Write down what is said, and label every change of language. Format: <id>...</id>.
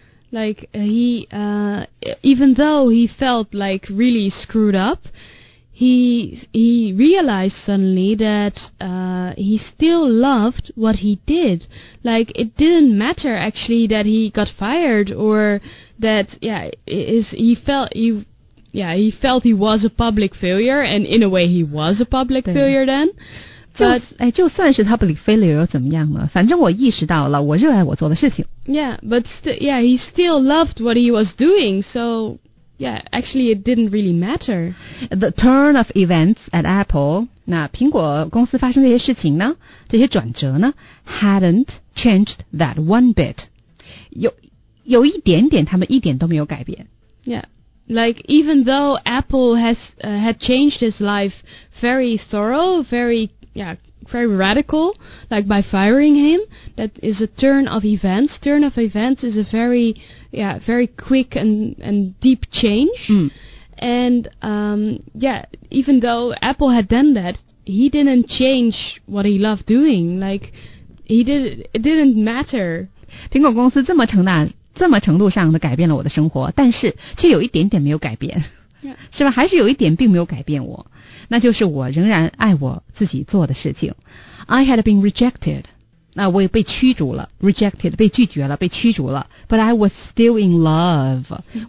<en>Like, even though he felt like really screwed up, he realized suddenly that, he still loved what he did. Like, it didn't matter actually that he got fired or that, he felt he was a public failure, and in a way he was a public failure then.</en> <zh>就算是 public failure 又怎么样呢？反正我意识到了，我热爱我做的事情。</zh> <en>Yeah, but he still loved what he was doing, so actually it didn't really matter. The turn of events at Apple,</en> <zh>那苹果公司发生这些事情呢？这些转折呢</zh> <en>？Hadn't changed that one bit.</en> <zh>有一点点，他们一点都没有改变。</zh> <en>Yeah. Like, even though Apple had changed his life very thorough, very radical, like by firing him, that is a turn of events. Turn of events is a very, very quick and deep change. Mm. And, even though Apple had done that, he didn't change what he loved doing. Like, it didn't matter.</en> <zh>苹果公司这么承担。这么程度上的改变了我的生活，但是却有一点点没有改变、</zh> <en>yeah.</en> <zh>是吧，还是有一点并没有改变我，那就是我仍然爱我自己做的事情。</zh> <en>I had been rejected,</en> <zh>那我也被驱逐了， rejected, 被拒绝了，被驱逐了，</zh> <en>but I was still in love、mm-hmm.</en>